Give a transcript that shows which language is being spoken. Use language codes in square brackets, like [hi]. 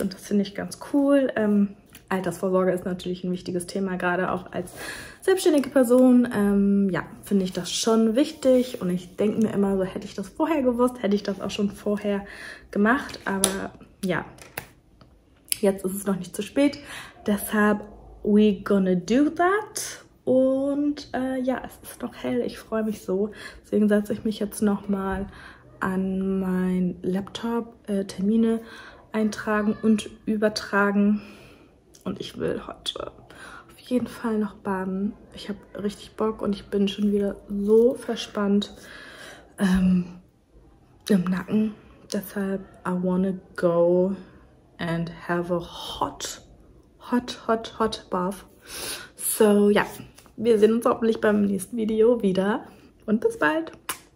[de] Und das finde ich ganz cool. Altersvorsorge ist natürlich ein wichtiges Thema, gerade auch als selbstständige Person. Ja, finde ich das schon wichtig und ich denke mir immer so, hätte ich das vorher gewusst, hätte ich das auch schon vorher gemacht. Aber ja, jetzt ist es noch nicht zu spät. Deshalb, [en] we gonna do that. [de] Und ja, es ist noch hell, ich freue mich so. Deswegen setze ich mich jetzt nochmal an mein Laptop, Termine eintragen und übertragen. Und ich will heute auf jeden Fall noch baden. Ich habe richtig Bock und ich bin schon wieder so verspannt im Nacken. Deshalb, [en] I wanna go and have a hot, hot, hot, hot bath. [de] So, ja, wir sehen uns hoffentlich beim nächsten Video wieder. Und bis bald.